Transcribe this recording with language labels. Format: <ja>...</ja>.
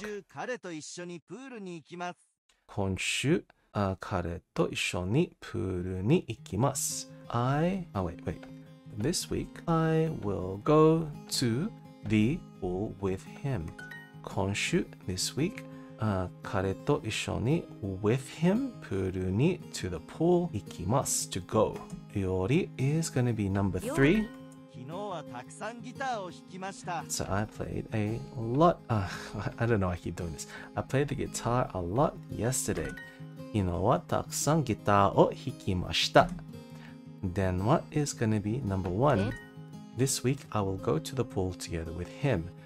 <ja>今週彼と一緒にプールに行きます。今週、彼と一緒にプールに行きます。</ja> <en>Wait. This week, I will go to the pool with him. 今週 this week, 彼と一緒に with him, プールに to the pool 行きます to go. 料理 is going to be number three.</en> <ja>昨日はたくさんギターを弾きました。</ja> <en>So I played a lot. I don't know why I keep doing this. I played the guitar a lot yesterday.</en> <ja>昨日はたくさんギターを弾きました。</ja> <en>Then what is going to be number one? This week, I will go to the pool together with him.</en>